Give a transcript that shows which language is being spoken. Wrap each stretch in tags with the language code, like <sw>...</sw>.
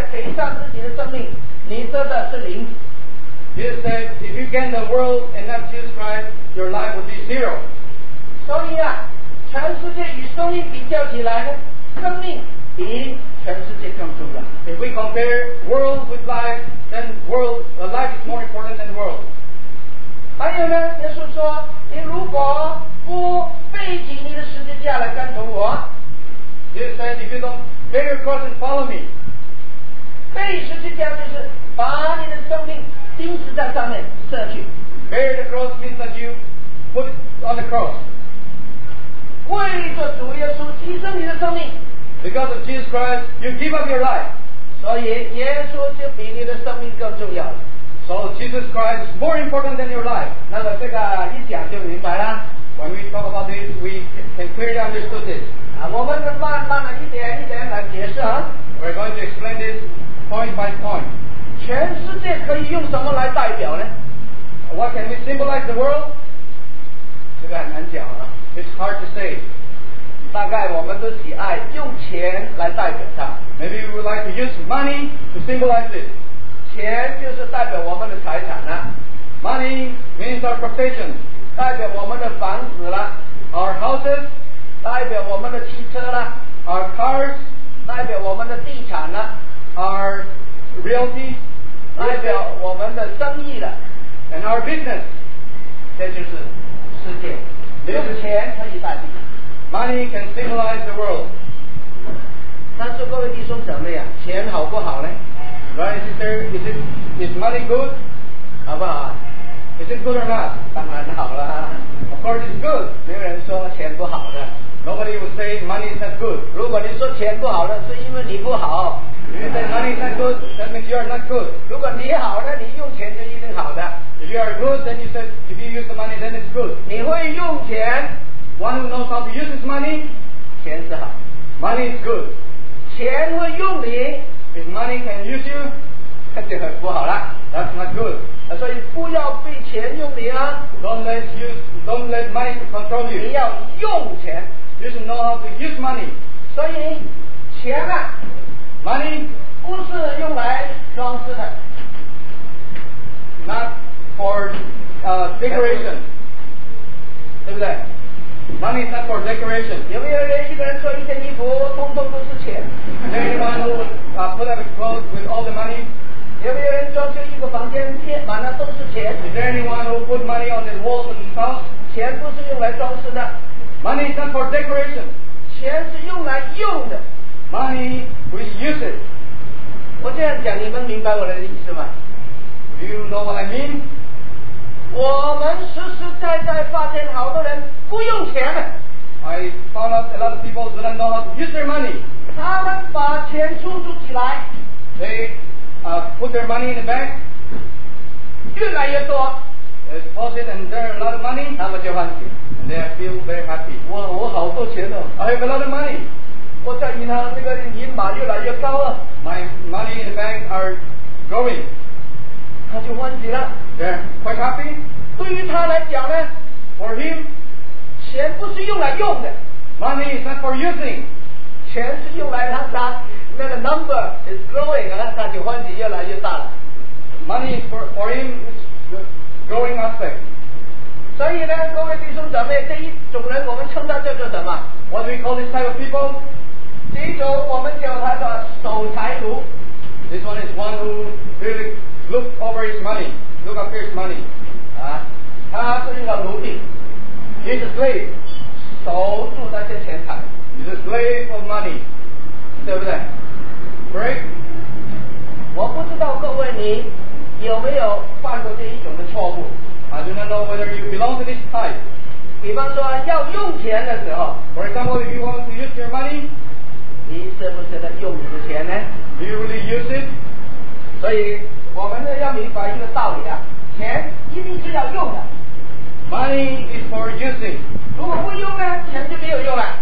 <zh>刚才主耶稣不是说你若赚了全世界赔上自己的生命你得的是零?</zh> <en>Jesus said, if you gain the world and not Jesus Christ, your life will be zero.</en> <zh>所以啊, 全世界与生命比较起来呢,</zh> <en>if we compare world with life, then world, life is more important than world.</en> <zh>还有呢, 耶稣说, 你如果不背起你的十字架来跟从我,</zh> <en>Jesus said, if you don't bear your cross and follow me,</en> <zh>背十字架就是把你的生命钉死在上面舍去,</zh> <en>bear the cross means that you put it on the cross.</en> <zh>为着主耶稣牺牲你的生命,</zh> <en>because of Jesus Christ, you give up your life.</en> <zh>所以耶稣就比你的生命更重要。</zh> <en>So Jesus Christ is more important than your life.</en> <zh>那么这个一讲就明白了。</zh> <en>When we talk about this, we can clearly understood this.</en> <zh>啊, 我们慢慢的一点一点来解释啊。</zh> <en>We're going to explain this point by point.</en> <zh>全世界可以用什么来代表呢?</zh> <en>What can we symbolize the world?</en> <zh>这个很难讲啊。</zh> <en>It's hard to say.</en> <zh>大概我们都喜爱用钱来代表它。</zh> <en>Maybe we would like to use money to symbolize it.</en> <zh>钱就是代表我们的财产啊。</zh> <en>Money means our possession.</en> <zh>代表我们的房子了,</zh> <en>our houses,</en> <zh>代表我们的汽车了,</zh> <en>our cars,</en> <zh>代表我们的地产了,</zh> <en>our realty,</en> <zh>代表我们的生意了,</zh> <en>and our business,</en> <zh>这就是世界。用钱可以代替,</zh> <en>money can symbolize the world.</en> <zh>但是各位弟兄姊妹啊, 钱好不好呢?</zh> <en>Right, sister, is money good?</en> <zh>好不好啊?</zh> <en>Is it good or not?</en> <zh>当然好啦,</zh> <en>of course it's good.</en> <zh>没有人说钱不好的,</zh> <en>nobody will say money is not good.</en> <zh>如果你说钱不好的, 是因为你不好,</zh> <en>if you say money is not good, that means you are not good.</en> <zh>如果你好的, 你用钱就一定好的,</zh> <en>if you are good, then you say, if you use the money, then it's good.</en> <zh>你会用钱,</zh> <en>one who knows how to use his money,</en> <zh>钱是好,</zh> <en>money is good.</en> <zh>钱会用你,</zh> <en>if money can use you,</en> <zh>那就很不好了,</zh> <en>that's not good.</en> <zh>所以不要被钱用你啊,</zh> <en>don't let money control you.</en> <zh>你要用钱,</zh> <en>you should know how to use money.</en> <zh>所以钱啊,</zh> <en>money,</en> <zh>不是用来装饰的,</zh> <en>not for decoration,</en> <zh>对不对?</zh> <en>Money is not for decoration.</en> <zh>有没有人一个人说一件衣服, 通通都是钱?</zh> <en>Anyone who put up clothes with all the money?</en> <zh>有没有人装修一个房间贴满了都是钱?</zh> <en>Is there anyone who put money on his walls and his house?</en> <zh>钱不是用来装饰的,</zh> <en>money is not for decoration.</en> <zh>钱是用来用的,</zh> <en>money we use it.</en> <zh>我这样讲你们明白我的意思吗?</zh> <en>Do you know what I mean?</en> <zh>我们实实在在发现好多人不用钱的,</zh> <en>I found out a lot of people do not know how to use their money.</en> <zh>他们把钱储存起来,</zh> <en>they put their money in the bank,</en> <zh>越来越多,</zh> <en>they deposit and there are a lot of money,</en> <zh>他们就欢喜,</zh> <en>and they feel very happy.</en> <zh>哇,我好多钱哦,</zh> <en>I have a lot of money,</en> <zh>我在银行那个银码越来越高了,</zh> <en>my money in the bank are growing.</en> <zh>他就欢喜了,</zh> <en>they're quite happy.</en> <zh>对于他来讲呢,</zh> <en>for him,</en> <zh>钱不是用来用的,</zh> <en>money is not for using,</en> <zh>钱是用来他拿,</zh> <en>the number is growing,</en> <zh>他就欢喜越来越大了,</zh> <en>money is for him is growing aspect.</en> <zh>所以呢, 各位弟兄姊妹, 这一种人, 我们称他叫做什么?</zh> <en>What do we call this type of people?</en> <zh>第一种我们叫他的守财奴,</zh> <en>this one is one who really look over his money, look after his money,</en> <zh>他是一个奴隶,</zh> <en>he's a slave,</en> <zh>守住那些钱财,</zh> <en>he's a slave of money,</en> <zh>对不对?</zh> <en>Right?</en> <zh>我不知道各位你有没有犯过这一种的错误,</zh> <en>I do not know whether you belong to this type.</en> <zh>比方说要用钱的时候,</zh> <en>for example, if you want to use your money,</en> <zh>你是不是在用你的钱呢?</zh> <en>Do you really use it?</en> <zh>所以我们要明白一个道理啊, 钱一定是要用的,</zh> <en>money is for using.</en> <zh>如果不用呢, 钱就没有用了,</zh>